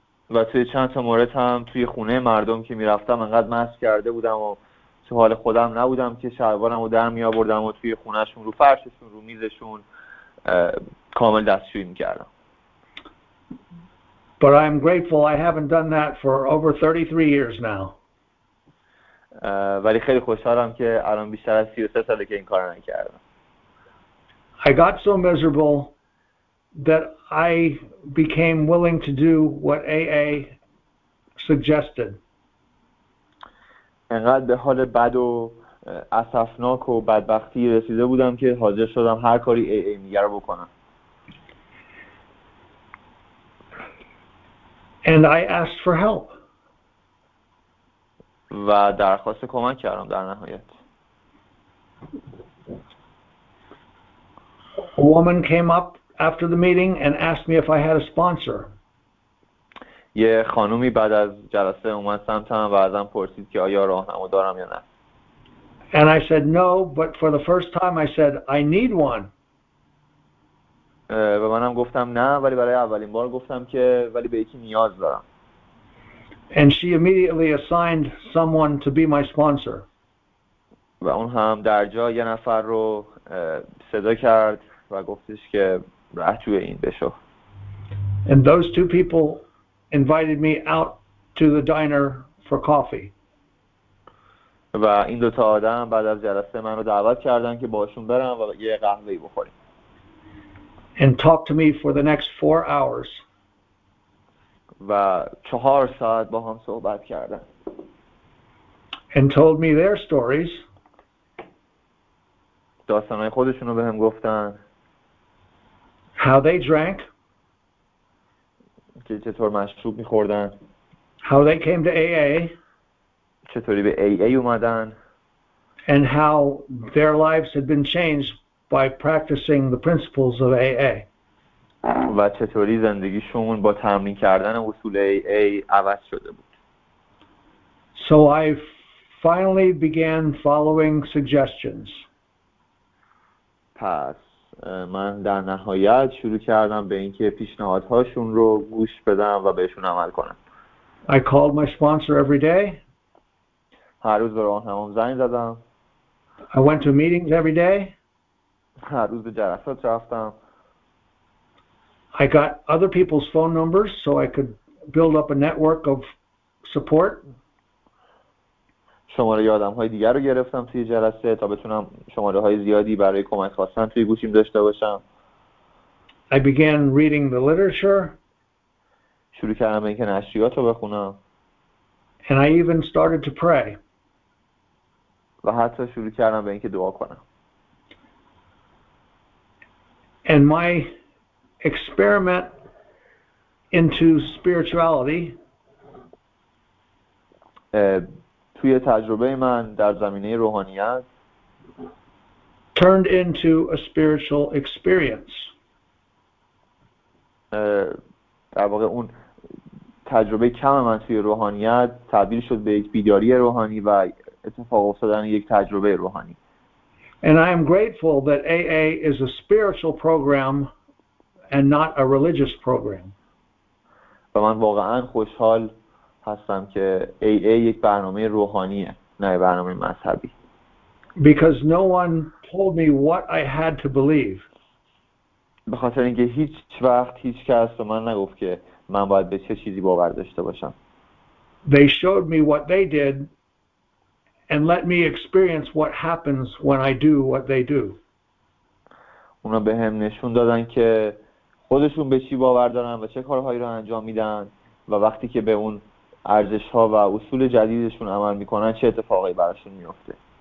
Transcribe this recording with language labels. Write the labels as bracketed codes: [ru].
[fa] و توی چند تا مورد هم توی خونه مردم که میرفتم انقدر مست کرده بودم و تو حال خودم نبودم که شلوارم رو در می آوردم و توی خونهشون رو فرششون رو میزشون کامل دستشویی میکردم. [en] But I'm grateful I haven't done that for over 33 years now. [fa] ولی خیلی خوشحالم که الان بیشتر از 33 ساله که این کار رو نکردم. [en] I got so miserable that I became willing to do what AA suggested. [fa] انقدر به حال بد و اسفناک و بدبختی رسیده بودم که حاضر شدم هر کاری AA میگه رو بکنم. [en] And I asked for help. [fa] و درخواست کمک کردم در نهایت. [en] A woman came up after the meeting and asked me if I had a sponsor. [fa] یه خانومی بعد از جلسه اومد سمتم و ازم پرسید که آیا راهنما دارم یا نه. [en] And I said no, but for the first time I said I need one. [fa] و منم گفتم نه ولی برای اولین بار گفتم که ولی به یکی نیاز دارم. [en] And she immediately assigned someone to be my sponsor. [fa] و اون هم در جا یه نفر رو صدا کرد و گفتش که رهجوی این بشو. [en] And those two people invited me out to the diner for coffee. [fa] و این دو تا آدم بعد از جلسه منو دعوت کردن که باشون برم و یه قهوه بخوریم. [en] And talk to me for the next 4 hours. [fa] و 4 ساعت با هم صحبت کردن. [en] And told me their stories. [fa] داستانهای خودشونو به هم گفتن. [en] How they drank. [fa] که چطور مشروب میخوردن. [en] How they came to AA. [fa] چطوری به AA اومدن. [en] And how their lives had been changed by practicing the principles of AA. [fa] و چطوری زندگیشون با تمرین کردن اصول AA عوض شده بود. [en] So I finally began following suggestions. [fa] پس من در نهایت شروع کردم به اینکه پیشنهادهاشون رو گوش بدم و بهشون عمل کنم. [en] I called my sponsor every day. [fa] هر روز به راهنمام زنگ زدم. [en] I went to meetings every day. [fa] هر روز به جلسات رفتم. [en] I got other people's phone numbers so I could build up a network of support. [fa] شماره آدم های دیگر رو گرفتم توی جلسه تا بتونم شماره های زیادی برای کمک خواستن توی گوشیم داشته باشم. [en] I began reading the literature. [fa] شروع کردم به اینکه نشریات رو بخونم. [en] And I even started to pray. [fa] و حتی شروع کردم به اینکه دعا کنم. [en] And my experiment into spirituality. [fa] توی تجربه من در زمینه روحانیت [en] turned into a spiritual experience. [fa] در واقع اون تجربه کم من توی روحانیت تبدیل شد به یک بیداری روحانی و اتفاق افتادن یک تجربه روحانی. [en] And I am grateful that AA is a spiritual program and not a religious program. [fa] و من واقعا خوشحال هستم که AA یک برنامه روحانیه نه برنامه مذهبی. [en] Because no one told me what I had to believe. [fa] به خاطر اینکه هیچ وقت هیچ کس به من نگفت که من باید به چه چیزی باور داشته باشم. [en] They showed me what they did and let me experience what happens when I do what they do. [fa] اونا به هم نشون دادن که خودشون به چی باور دارن و چه کارهایی رو انجام میدن و وقتی که به اون ارزش‌ها و اصول جدیدشون عمل می‌کنن چه اتفاقی براشون می‌افته.